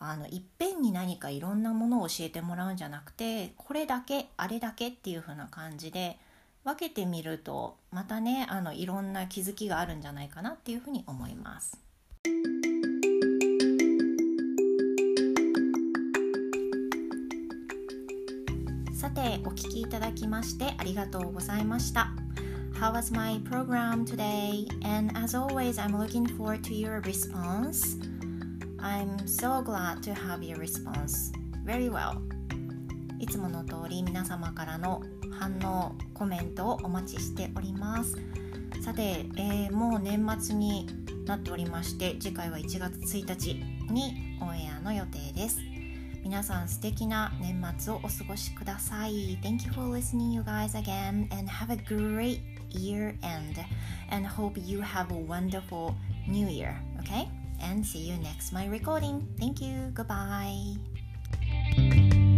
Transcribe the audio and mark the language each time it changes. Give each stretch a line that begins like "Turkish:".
Japanese: いっぺんに何かいろんなものを教えてもらうんじゃなくて、これだけあれだけっていう風な感じで分けてみると、またね、いろんな気づきがあるんじゃないかなっていう風に思います。さて、お聞きいただきましてありがとうございました。
English: How was my program today? And as always, I'm looking forward to your response. I'm so glad to have your response. Very well.
Japanese: いつもの通り皆様からの反応、コメントをお待ちしております。さて、もう年末になっておりまして、次回は1月1日にオンエアの予定です。皆さん素敵な年末をお過ごしください。
English: Thank you for listening you guys again and have a great year end and hope you have a wonderful new year, okay? And see you next my recording. Thank you, goodbye.